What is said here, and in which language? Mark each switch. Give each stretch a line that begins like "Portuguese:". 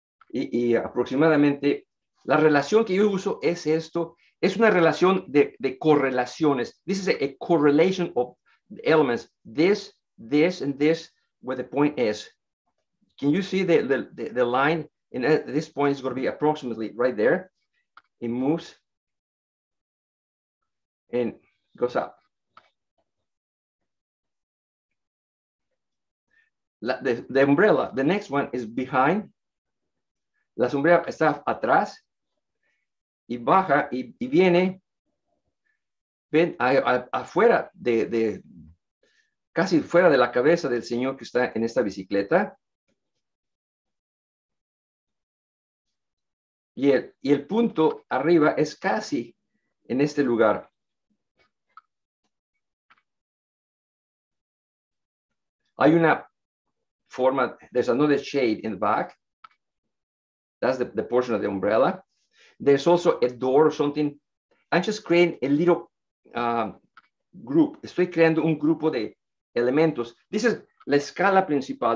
Spanish: Y aproximadamente, la relación que yo uso es esto, es una relación de correlaciones.
English: This is a correlation of elements. This, this, and this, where the point is. Can you see the line? And at this point is going to be approximately right there. It moves and goes up. The umbrella, the next one is behind.
Spanish: La sombrilla está atrás y baja y viene afuera de casi fuera de la cabeza del señor que está en esta bicicleta. Y el punto arriba es casi en este lugar. Hay una forma,
English: there's another shade in the back. That's the portion of the umbrella. There's also a door or something. I'm just creating a little group.
Spanish: Estoy creando un grupo de elementos.
English: This is
Spanish: la escala principal.